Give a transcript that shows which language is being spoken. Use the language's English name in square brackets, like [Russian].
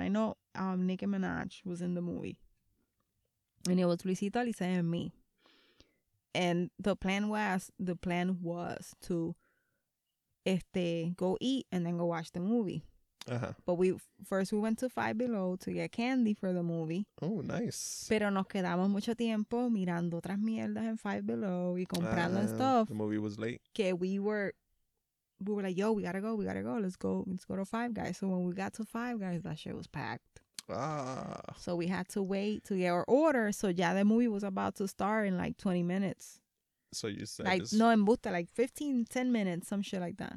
[English] I know Nicki Minaj was in the movie. And it was Luisito, Lisa, and me. And the plan was to go eat and then go watch the movie. Uh-huh. But we went to Five Below to get candy for the movie. Oh, nice. [Spanish] Pero nos quedamos mucho tiempo mirando otras mierdas en Five Below y comprando stuff. [English] The movie was late. [Spanish] Que [English] we were like, yo, we gotta go. Let's go to Five Guys. So when we got to Five Guys, that shit was packed. Ah. So we had to wait to get our order. So yeah, the movie was about to start in like 20 minutes. So you said like, this... no, en busta, like 15, 10 minutes, some shit like that.